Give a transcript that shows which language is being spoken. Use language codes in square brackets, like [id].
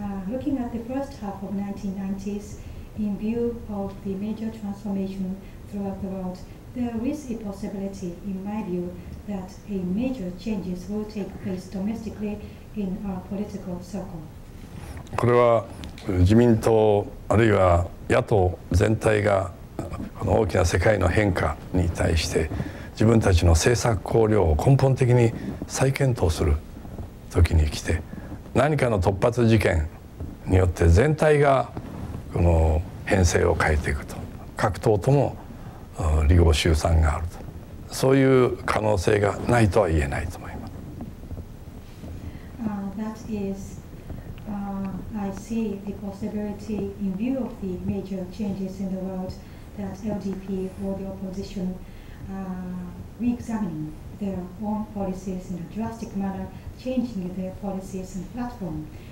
[en] Looking at the first half of 1990s, in view of the major transformation throughout the world, there is a possibility, in my view, that a major changes will take place domestically in our political circle. [ja] これは自民党あるいは野党全体がこの大きな世界の変化に対して自分たちの政策綱領を根本的に再検討する時に来て、何かの突発事件によって全体がこの編成を変えていくと、各党とも離合集散があると、そういう可能性がないとは言えないと思います。 [en] That is, I see the possibility in view of the major changes in the world that LDP or the opposition re-examining their own policies in a drastic manner, changing their policies and platform.